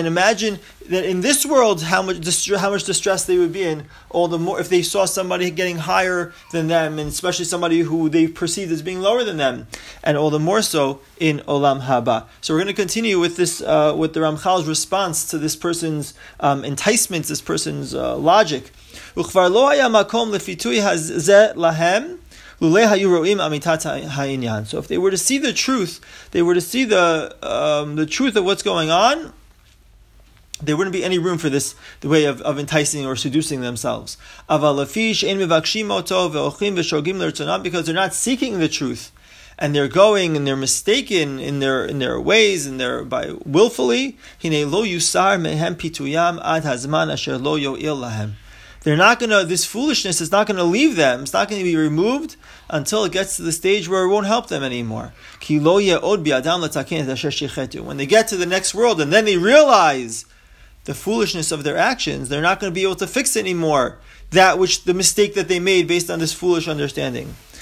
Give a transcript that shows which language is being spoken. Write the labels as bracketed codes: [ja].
[en] And imagine that in this world, how much distress they would be in, all the more if they saw somebody getting higher than them, and especially somebody who they perceived as being lower than them, and all the more so in Olam Haba. So we're going to continue with this, with the Ramchal's response to this person's enticements, this person's logic. [he] וכבר לא היה מקום לפיתוי הזה להם לולא היו רואים אמיתת העניין. [en] So if they were to see the truth, they were to see the truth of what's going on, there wouldn't be any room for this, the way of enticing or seducing themselves. [he] אבל לפי שאין מבקשים אותו ואוכלים ושוגים לרצונם, [en] because they're not seeking the truth, and they're going and they're mistaken in their ways and they're by willfully, [he] הנה לא יוסר מהם פיתויים עד הזמן אשר לא יועיל להם. [en] They're not going to, this foolishness is not going to leave them. It's not going to be removed until it gets to the stage where it won't help them anymore. When they get to the next world and then they realize the foolishness of their actions, they're not going to be able to fix anymore that which the mistake that they made based on this foolish understanding.